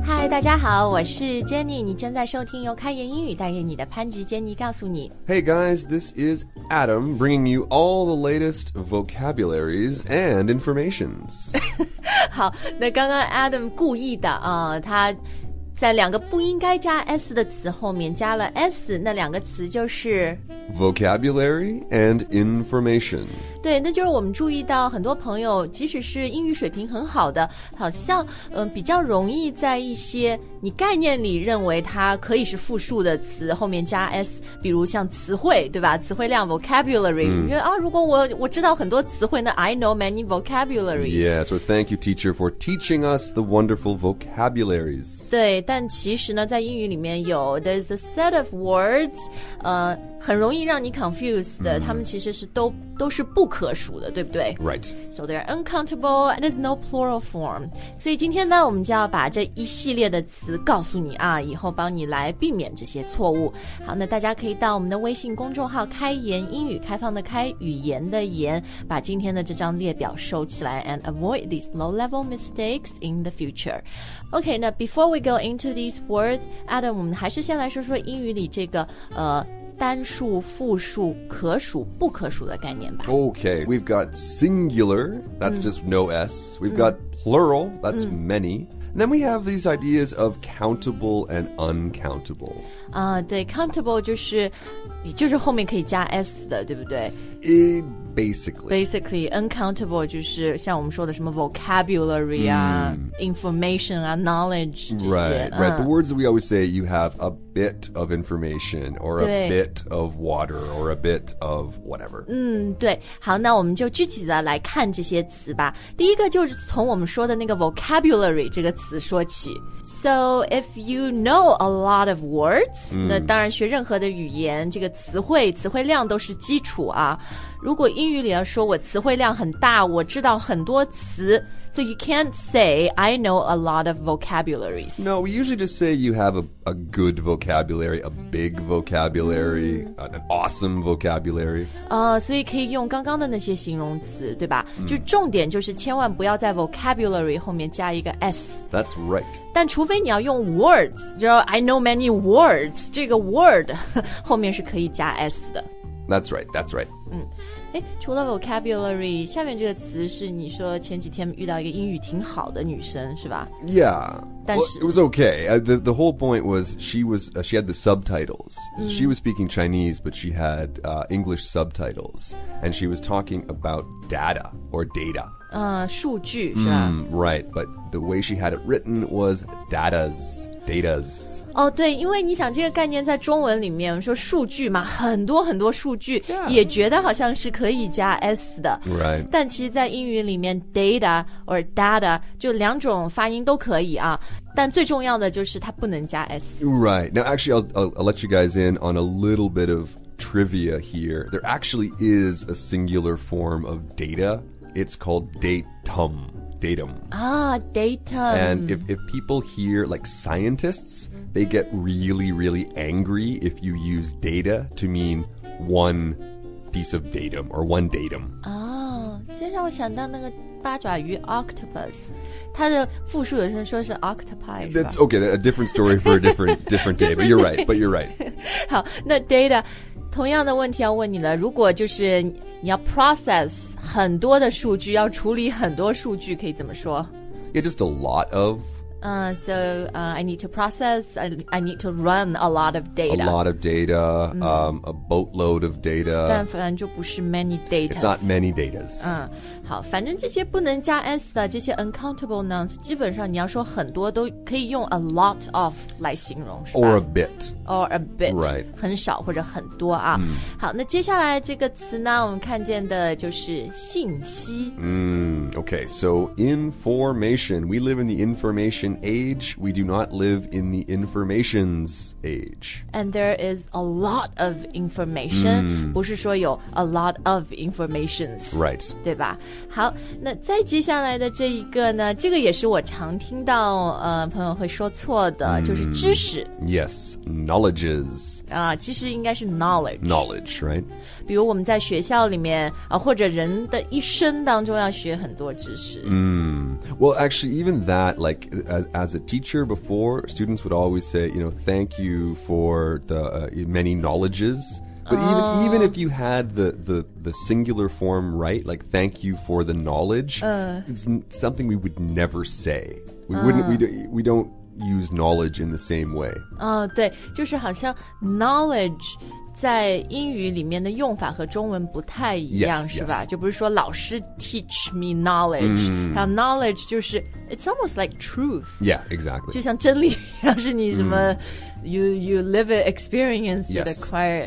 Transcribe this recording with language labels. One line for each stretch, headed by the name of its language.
Chinese: 大家好，我是 Jenny， 你正在收听由开言英语带给你的潘吉 Jenny 告诉你。
English: Hey guys, this is Adam, bringing you all the latest vocabularies and informations.
Chinese: 好，那刚刚 Adam 故意的啊、他在两个不应该加 S 的词后面加了 S， 那两个词就是
English: vocabulary and information。
Chinese: 对，那就是我们注意到很多朋友即使是英语水平很好的，好像、比较容易在一些你概念里认为它可以是复数的词后面加 S， 比如像词汇，对吧，词汇量 vocabulary、因为啊，如果 我知道很多词汇，那
English: I know many vocabularies. Yeah, so thank you teacher for teaching us the wonderful vocabularies.
Chinese: 对，但其实呢在英语里面有
English: there's a set of words、
Chinese: 很容易让你 confused 的、他们其实是都是不可数的，对不对？
English: Right. So they're uncountable and there's no plural form.
Chinese: 所以今天呢我们就要把这一系列的词告诉你啊，以后帮你来避免这些错误。好，那大家可以到我们的微信公众号开言英语，开放的开，语言的言，把今天的这张列表收起来
English: and avoid these low-level mistakes in the future.
Chinese: OK, 那
English: before we go into these words,
Chinese: Adam, 我们还是先来说说英语里这个单数、复数、可数、不可数的概念吧。
English: Okay, we've got singular, that's just no S. We've got plural, that's many. And then we have these ideas of countable and uncountable.
Chinese: 啊、对 ,countable 就是后面可以加 S 的，对不对？
English: Basically,
Chinese: uncountable 就是像我们说的什么 vocabulary 啊、information 啊、knowledge 这些。
English: Right. The words that we always say, you have a bit of information, or a bit of water, or a bit of whatever.
Chinese: 嗯，对。好，那我们就具体的来看这些词吧。第一个就是从我们说的那个 vocabulary 这个词说起。
English: So if you know a lot of words,、
Chinese: 那当然学任何的语言，这个词汇量都是基础啊。如果英语里要说我词汇量很大，我知道很多词 ，
English: so you can't say I know a lot of vocabularies. No, we usually just say you have a good vocabulary, a big vocabulary,、an awesome vocabulary.
Chinese: 所以可以用刚刚的那些形容词，对吧？就重点就是千万不要在 vocabulary 后面加一个 s.
English: That's right.
Chinese: 但除非你要用 words, 就
English: I know many words,
Chinese: 这个 word 后面是可以加 s 的。
English: That's right.
Chinese: 除了 vocabulary, 下面这个词是你说前几天遇到一个英语挺好的女生是吧
English: ？Yeah.
Chinese: 但是
English: well, it was okay.、the whole point was she had the subtitles.、She was speaking Chinese, but she had、English subtitles, and she was talking about data or data.
Chinese: 数据是吧、
English: Right, but the way she had it written was datas. Datas.
Chinese: 哦、oh, 对，因为你想这个概念在中文里面说数据嘛，很多很多数据、也觉得好像是可以加 S 的。
English: Right.
Chinese: 但其实在英语里面 data or data 就两种发音都可以啊，但最重要的就是它不能加 S.
English: Right. Now actually I'll let you guys in on a little bit of trivia here. There actually is a singular form of data. It's called datum. Datum. Ah, datum. And if people hear, like scientists, they get really, really angry if you use data to mean one piece of datum or one datum.
Chinese: Ah, 这让我想到那个八爪鱼 octopus. 它的复数有人说是 octopi.
English: That's okay, a different story for a different day, but you're right.
Chinese: 好，那 data, 同样的问题要问你了，如果就是你要 process很多的数据，要处理很多数据，可以怎么说？
English: Yeah, just a lot of. I need to process. I need to run a lot of data. A lot of data.、a boatload of data.
Chinese: 但反正就不是
English: many data. It's not many data.
Chinese: 好，反正这些不能加 s 的这些 uncountable nouns， 基本上你要说很多都可以用
English: a lot of
Chinese: 来形容，是吧
English: ？Or a bit. Or a bit. Right.
Chinese: 很少或者很多啊。好，那接下来这个词呢，我们看见的就是信息。
English: Okay. So information. We live in the information. information age, we do not live in the information's age. And there is a lot of information,、mm.
Chinese: 不是说有
English: a lot of informations. Right.
Chinese: 对吧？好，那再接下来的这一个呢，这个也是我常听到、朋友会说错的、mm. 就是知识。
English: Yes, knowledges.、
Chinese: 其实应该是 knowledge.
English: Knowledge, right?
Chinese: 比如我们在学校里面、或者人的一生当中要学很多知识。
English: Well, actually, even that, like, as a teacher before, students would always say, you know, thank you for the、many knowledges. But、even if you had the singular form right, like, thank you for the knowledge,、it's something we would never say. We wouldn't,、we don't use knowledge in the same way.
Chinese: 对，就是好像 knowledge... 在英语里面的用法和中文不太一样
English: yes,
Chinese: 是吧、
English: yes.
Chinese: 就不是说老师
English: teach me knowledge、
Chinese: mm. 然后 knowledge 就是
English: it's almost like truth yeah exactly
Chinese: 就像真理要是你什么、
English: you live it experience it acquire、